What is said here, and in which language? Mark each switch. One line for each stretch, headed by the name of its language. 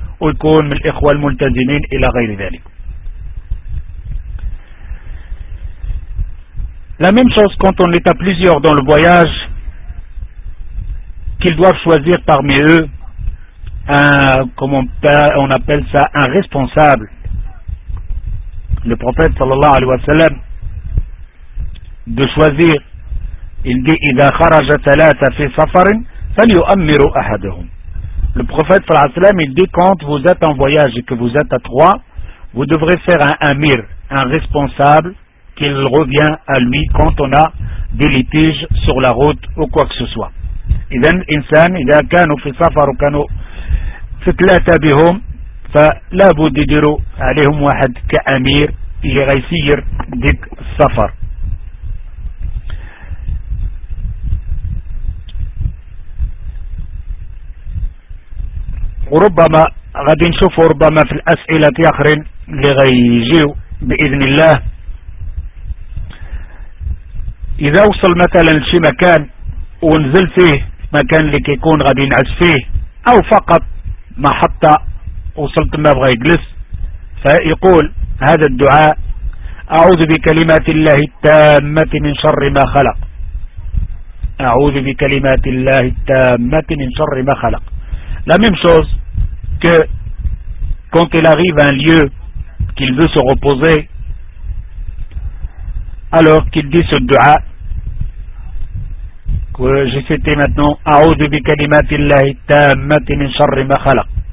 Arabic: ويكون من الإخوة الملتزمين إلى غير ذلك.
French: La même chose quand on est à plusieurs dans le voyage, qu'ils doivent choisir parmi eux un, comment on appelle ça, un responsable. Le prophète sallallahu alayhi wa sallam de choisir, il dit
Arabic: إِذَا خَرَجَ ثَلَاثَ فِي سَفَرٍ فَلْيُؤَمِّرُ أَحَدُهُمْ.
French: Le prophète sallallahu alayhi wa sallam, il dit quand vous êtes en voyage et que vous êtes à trois, vous devrez faire un amir, un responsable, qu'il revient à lui quand on a des litiges sur la route ou quoi que ce soit.
Arabic: إذن إنسان إذا كانوا في سفر وكانوا في ثلاثة بهم فلا بد يديروا عليهم واحد كأمير اللي غيسير ديك السفر. وربما غادي نشوفوا ربما في الأسئلة أخرين اللي غيجيو بإذن الله. إذا وصل مثلا لشي مكان ونزل فيه مكان اللي كيكون غادي ينعس فيه او فقط محطة وصلت ما بغى يجلس فيقول هذا الدعاء: اعوذ بكلمات الله التامة من شر ما خلق، اعوذ بكلمات الله التامة من شر ما خلق.
French: La même chose que quand il arrive à un lieu qu'il veut se reposer alors qu'il dit ce dua. J'ai cité maintenant
Arabic: A'udhu bi kalimatillahi tammati min sharri ma khalaq.